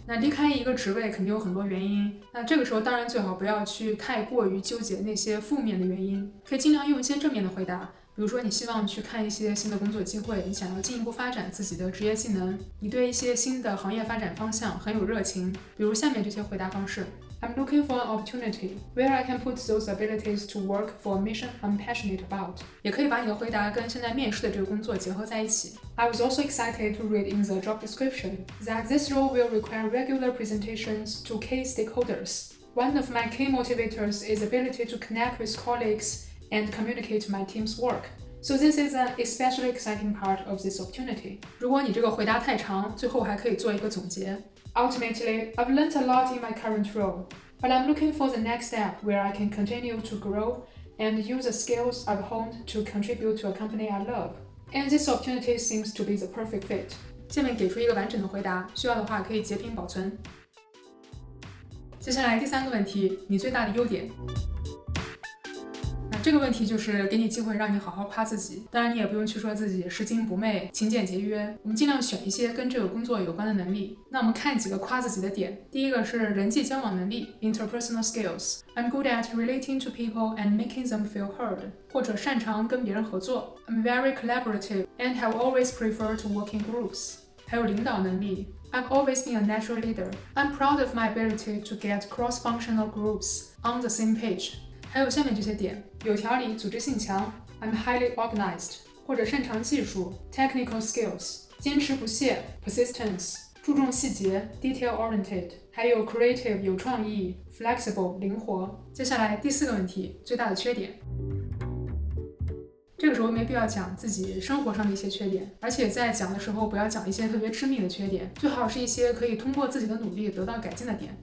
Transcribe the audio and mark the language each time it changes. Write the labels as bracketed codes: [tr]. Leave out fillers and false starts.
[zh] 那离开一个职位肯定有很多原因，那这个时候当然最好不要去太过于纠结那些负面的原因，可以尽量用一些正面的回答，比如说你希望去看一些新的工作机会，你想要进一步发展自己的职业技能，你对一些新的行业发展方向很有热情，比如下面这些回答方式 [en] I'm looking for an opportunity where I can put those abilities to work for a mission I'm passionate about. [zh] 也可以把你的回答跟现在面试的这个工作结合在一起。 [en] I was also excited to read in the job description that this role will require regular presentations to key stakeholders. One of my key motivators is ability to connect with colleagues. And communicate my team's work. So this is an especially exciting part of this opportunity. [zh] 如果你这个回答太长，最后还可以做一个总结。 [en] Ultimately, I've learned a lot in my current role, but I'm looking for the next step where I can continue to grow and use the skills I've honed to contribute to a company I love. And this opportunity seems to be the perfect fit. [zh] 下面给出一个完整的回答，需要的话可以截屏保存。接下来第三个问题，你最大的优点。这个问题就是给你机会让你好好夸自己，当然你也不用去说自己拾金不昧、勤俭节约，我们尽量选一些跟这个工作有关的能力。那我们看几个夸自己的点，第一个是人际交往能力 interpersonal skills。 [en] I'm good at relating to people and making them feel heard， [zh] 或者擅长跟别人合作 [en] I'm very collaborative and have always preferred to work in groups。 [zh] 还有领导能力 [en] I've always been a natural leader。 I'm proud of my ability to get cross-functional groups on the same page。 [zh] 还有下面这些点，有条理，组织性强 [en] I'm highly organized， [zh] 或者擅长技术 [en] technical skills， [zh] 坚持不懈 [en] persistence， [zh] 注重细节 [en] detail oriented， [zh] 还有 [en] creative， [zh] 有创意 [en] flexible， [zh] 灵活。接下来第四个问题，最大的缺点。这个时候没必要讲自己生活上的一些缺点，而且在讲的时候不要讲一些特别致命的缺点，最好是一些可以通过自己的努力得到改进的点。